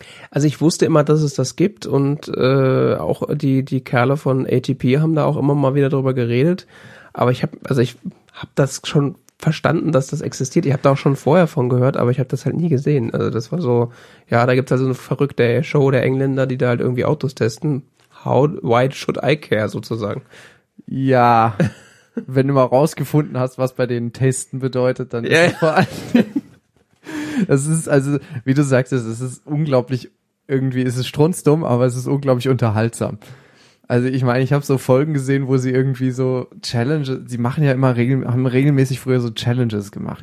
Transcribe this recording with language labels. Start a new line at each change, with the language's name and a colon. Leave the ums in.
German: Also ich wusste immer, dass es das gibt und äh, auch die die Kerle von ATP haben da auch immer mal wieder drüber geredet. Aber ich habe also ich habe das schon verstanden, dass das existiert. Ich habe da auch schon vorher von gehört, aber ich habe das halt nie gesehen. Also das war so, ja, da gibt's also eine verrückte Show der Engländer, die da halt irgendwie Autos testen.
English: How why should I care sozusagen?
German: Ja. Wenn du mal rausgefunden hast, was bei den Testen bedeutet, dann Ja. ist es vor allem. Das ist also, wie du sagtest, es ist unglaublich, irgendwie ist es strunzdumm, aber es ist unglaublich unterhaltsam. Also ich meine, ich habe so Folgen gesehen, wo sie irgendwie so Challenges, sie machen ja immer regel, haben regelmäßig früher so Challenges gemacht.